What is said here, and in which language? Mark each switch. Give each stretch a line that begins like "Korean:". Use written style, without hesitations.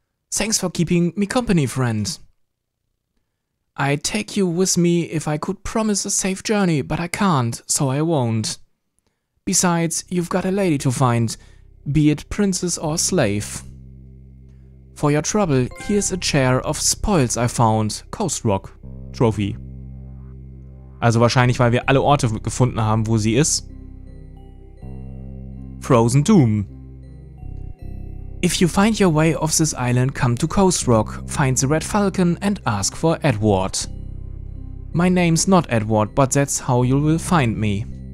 English: Thanks for keeping me company, friend. I'd take you with me if I could promise a safe journey, but I can't, so I won't. Besides, you've got a lady to find, be it princess or slave. For your trouble, here's a chair of spoils I found. Coast Rock. Trophy.
German: Also wahrscheinlich, weil wir alle Orte gefunden haben, wo sie ist.
English: Frozen Tomb. If you find your way off this island, come to Coast Rock, find the Red Falcon and ask for Edward. My name's not Edward, but that's how you will find me.